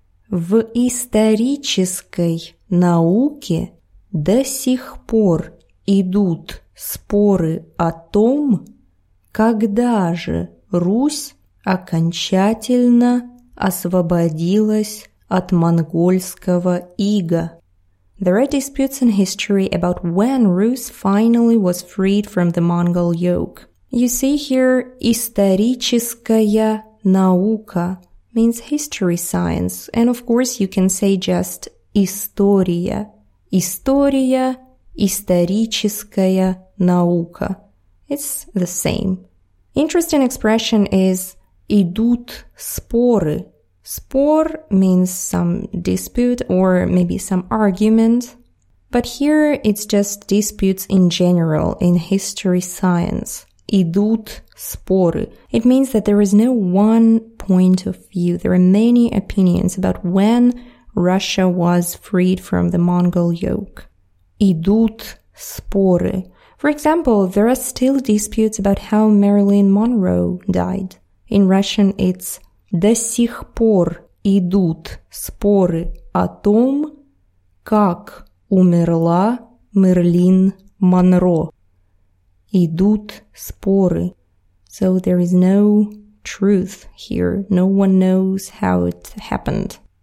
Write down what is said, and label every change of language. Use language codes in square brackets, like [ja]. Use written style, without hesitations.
[ru] В исторической науке до сих пор идут споры о том, когда же Русь окончательно освободилась от монгольского ига. [en] There are disputes in history about when Русь finally was freed from the Mongol yoke. You see here, [ru] историческая наука [en] means history science, and of course you can say just [ru] история. История, историческая наука. [en] It's the same. Interesting expression is [ru] идут споры. [en] Спор means some dispute or maybe some argument. But here it's just disputes in general in history science. [ru] Идут споры. [en] It means that there is no one point of view. There are many opinions about when Russia was freed from the Mongol yoke. [ru] Идут споры. [en] For example, there are still disputes about how Marilyn Monroe died. In Russian, it's [ru] до сих пор идут споры о том, как умерла Мерлин Монро. Идут споры. [en] So there is no truth here. No one knows how it happened.